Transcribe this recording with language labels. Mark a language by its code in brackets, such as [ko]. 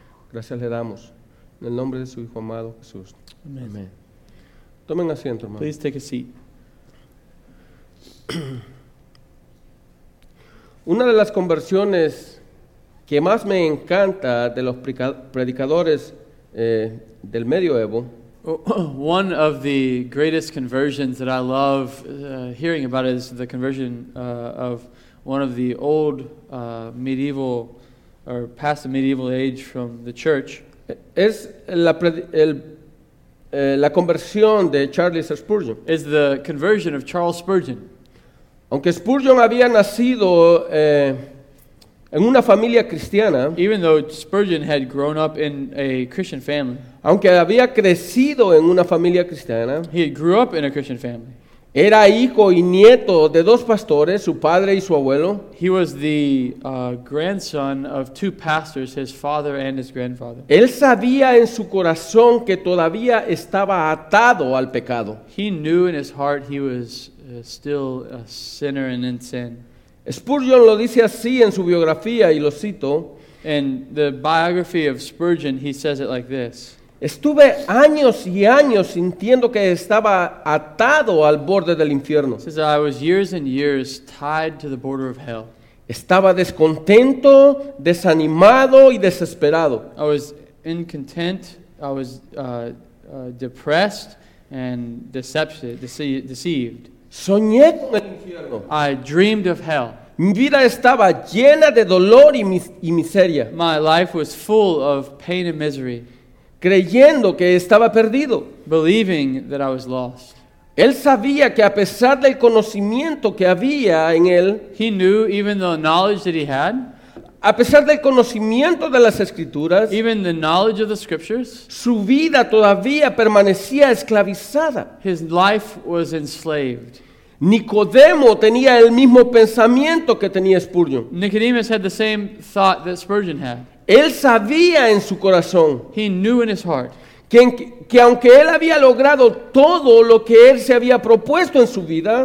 [es] Gracias le damos, en el nombre de su Hijo amado, Jesús. Amén. Amén. Tomen asiento, hermano. [en] Please take a seat. [es] Una de las conversiones que más me encanta de los predicadores del medioevo. [en] One of the greatest conversions that I love hearing about is the conversion of one of the old medieval or past the medieval age from the church. [es] Es la la conversión de Charles Spurgeon. [en] Is the conversion of Charles Spurgeon. [es] Aunque Spurgeon había nacido en una familia cristiana, [en] even though Spurgeon had grown up in a Christian family, [es] aunque había crecido en una familia cristiana, [en] he grew up in a Christian family. [es] Era hijo y nieto de dos pastores, su padre y su abuelo. [en] He was the grandson of two pastors, his father and his grandfather. [es] Él sabía en su corazón que todavía estaba atado al pecado. [en] He knew in his heart he was still a sinner and in sin. [es] Spurgeon lo dice así en su biografía y lo cito. [en] In the biography of Spurgeon, he says it like this. [es] Estuve años y años sintiendo que estaba atado al borde del infierno. [en] He says, I was years and years tied to the border of hell. [es] Estaba descontento, desanimado y desesperado. [en] I was incontent, I was depressed and deceived. [es] Soñé con el infierno. [en] I dreamed of hell. [es] Mi vida estaba llena de dolor y miseria. [en] My life was full of pain and misery. [es] Creyendo que estaba perdido. [en] Believing that I was lost. [es] Él sabía que a pesar del conocimiento que había en él, [en] he knew even the knowledge that he had, [es] a pesar del conocimiento de las escrituras, [en] even the knowledge of the scriptures, [es] su vida todavía permanecía esclavizada. [en] His life was enslaved. [es] Nicodemo tenía el mismo pensamiento que tenía Spurgeon. [en] Nicodemus had the same thought that Spurgeon had. [es] Él sabía en su corazón, [en] he knew in his heart, [es] que aunque él había logrado todo lo que él se había propuesto en su vida,